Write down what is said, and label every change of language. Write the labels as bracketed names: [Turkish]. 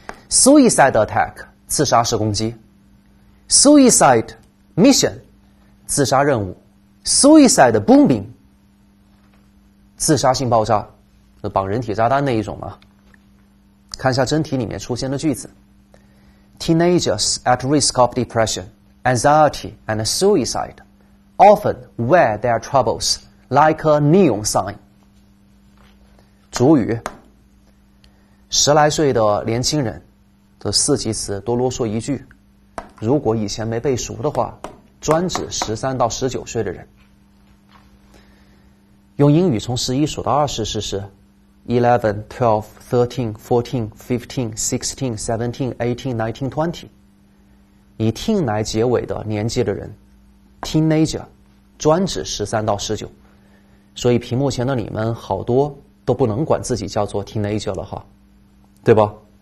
[English] Suicide attack， [Chinese] 自杀式攻击。 [English] Suicide mission， [Chinese] 自杀任务。 [English] Suicide bombing， [Chinese] 自杀性爆炸，绑人体炸弹那一种嘛。看一下真题里面出现的句子。 [English] Teenagers at risk of depression, anxiety, and suicide often wear their troubles like a neon sign. [Chinese] 主语，十来岁的年轻人的四级词，多啰嗦一句，如果以前没背熟的话，专指13到19岁的人。用英语从11数到20试试。 [English] 11, 12, 13, 14, 15, 16, 17, 18, 19, 20， [Chinese] 以 teen 来结尾的年纪的人 teenager 专指13到19，所以屏幕前的你们好多都不能管自己叫做 teenager 了哈，对吧？